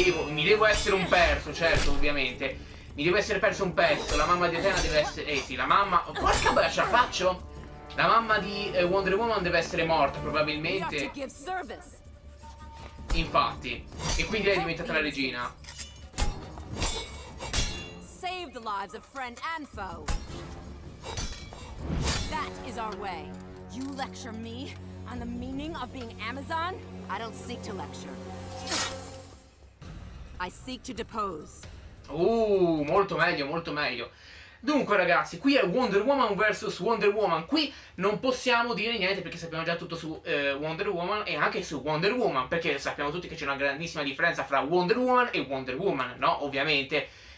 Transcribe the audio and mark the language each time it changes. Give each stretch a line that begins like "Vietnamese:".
Italian: Mi devo essere un perso, certo, ovviamente. Mi devo essere perso un pezzo. La mamma di Athena deve essere... sì, la mamma... Oh, porca bacia, faccio! La mamma di Wonder Woman deve essere morta, probabilmente. Infatti. E quindi lei è diventata la regina.
English: Save the lives of friend and foe. That is our way. You lecture me on the meaning of being Amazon? I don't seek to lecture. I seek to depose.
Italian: Molto meglio, molto meglio. Dunque, ragazzi, qui è Wonder Woman versus Wonder Woman. Qui non possiamo dire niente perché sappiamo già tutto su Wonder Woman e anche su Wonder Woman, perché sappiamo tutti che c'è una grandissima differenza fra Wonder Woman e Wonder Woman, no? Ovviamente.